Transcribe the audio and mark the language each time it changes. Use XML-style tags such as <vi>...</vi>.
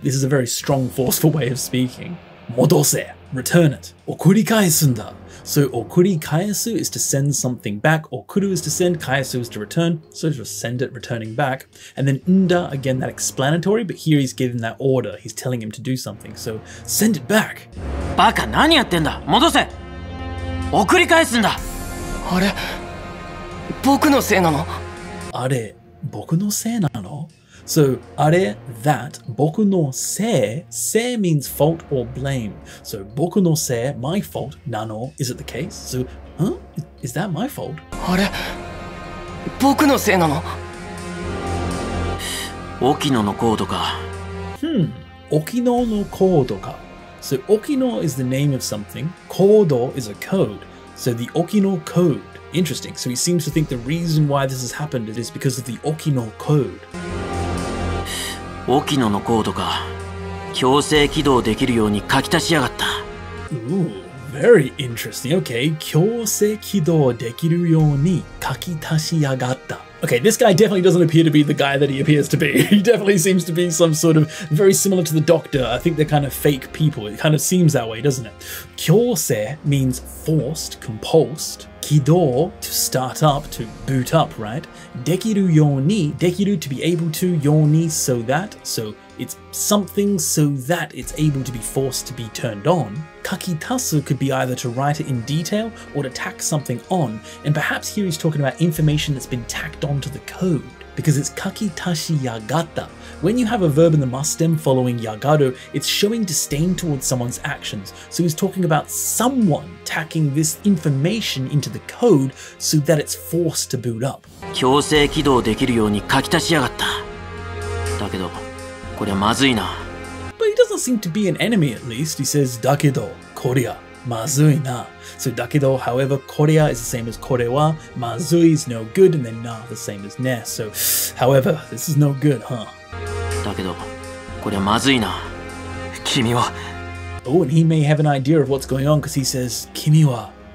<en>This is a very strong, forceful way of speaking. 戻せ Return it.</en> <ja>送り返すんだ</ja> <en>So, 送り返す is to send something back. 送る is to send. 返す is to return. So, just send it, returning back. And then, んだ again, that explanatory, but here he's giving that order. He's telling him to do something. So, send it back.</en> <ja>バカ何やってんだ戻せ送り返すんだあれ僕のせいなのあれ僕のせいなの</ja> <en>So, あれ、that, 僕のせい、せい means fault or blame. So, 僕のせい、my fault, なの、is it the case? So, huh? Is that my fault?</en> <ja>あれ、僕のせいなの沖野のコードか。沖野のコードか。</ja> <en>So, 沖野 is the name of something. コード is a code. So, the 沖野 code. Interesting. So, he seems to think the reason why this has happened is because of the 沖野 code.</en> <ja>沖野のコードが強制起動できるように書き足しやがった。</ja> <en>Ooh, very interesting.</en> <ja>Okay, 強制起動できるように書き足しやがった。</ja> <en>Okay, this guy definitely doesn't appear to be the guy that he appears to be. He definitely seems to be some sort of very similar to the Doctor. I think they're kind of fake people. It kind of seems that way, doesn't it? 強制 means forced, compulsed. 起動 to start up, to boot up, right? できるように, できる to be able to, ように so that. So it's something so that it's able to be forced to be turned on. 書き足す could be either to write it in detail or to tack something on. And perhaps here he's talking about information that's been tacked onto the code. Because it's 書き足しやがった.When you have a verb in the must stem following yagaru, it's showing disdain towards someone's actions. So he's talking about someone tacking this information into the code so that it's forced to boot up.</en> <ja>強制起動できるように書き足しやがった。だけど、これはまずいな。</ja> <en>But he doesn't seem to be an enemy at least. He says,</en> <ja>だけど、これは、まずいな。</ja> <en>So, だけど、however, これは is the same as これは、まずい is no good, and then な the same as ね. So, however, this is no good, huh?</en> <ja>だけど、これはまずいな。君は。</ja> <en>Oh, and he may have an idea of what's going on because he says, 君は、</en>